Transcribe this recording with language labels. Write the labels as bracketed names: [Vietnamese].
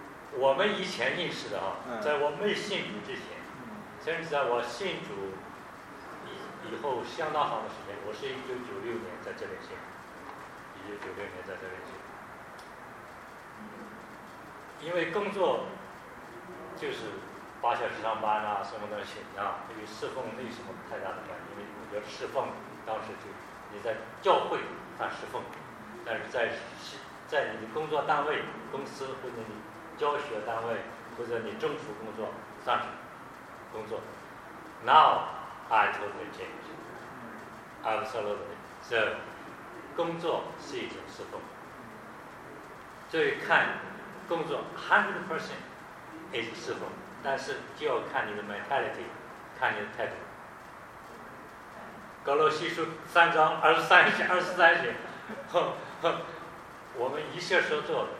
[Chinese] 我们以前认识的啊，在我没信主之前，甚至在我信主以后相当长的时间，我是1996年在这里信，1996年在这里信，因为工作就是8小时上班啊，什么的选项，对于侍奉没什么太大的关系，因为我觉得侍奉当时就你在教会算侍奉，但是在你的工作单位、公司或者你。教学单位或者你政府工作算是工作。 [English] Now I totally change, absolutely. [Chinese] So, 工作是一种侍奉。所以看工作 100% is 侍奉，但是就要看你的 mentality， 看你的态度。格罗西书3:23-24节，我们一切所做的。